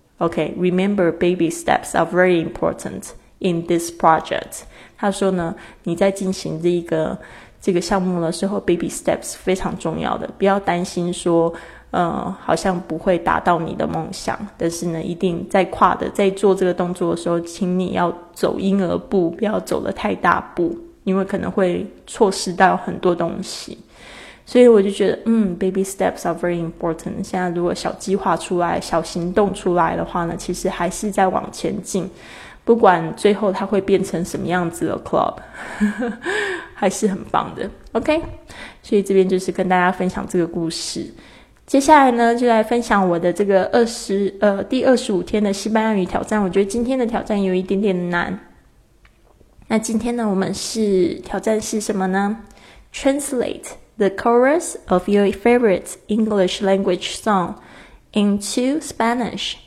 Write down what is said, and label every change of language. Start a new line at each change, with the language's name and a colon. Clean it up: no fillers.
English: Okay, remember baby steps are very important in this project.
Chinese: 他说呢，你在进行这个项目的时候 baby steps 非常重要的，不要担心说好像不会达到你的梦想，但是呢一定在跨的在做这个动作的时候，请你要走婴儿步，不要走得太大步，因为可能会错失到很多东西。所以我就觉得
English: baby steps are very important，
Chinese: 现在如果小计划出来，小行动出来的话呢，其实还是在往前进，不管最后它会变成什么样子的 club， 还是很棒的。 OK， 所以这边就是跟大家分享这个故事。接下来呢，就来分享我的这个第25天的西班牙语挑战。我觉得今天的挑战有一点点难。那今天呢，我们是挑战是什么呢？
English: Translate the chorus of your favorite English language song into Spanish.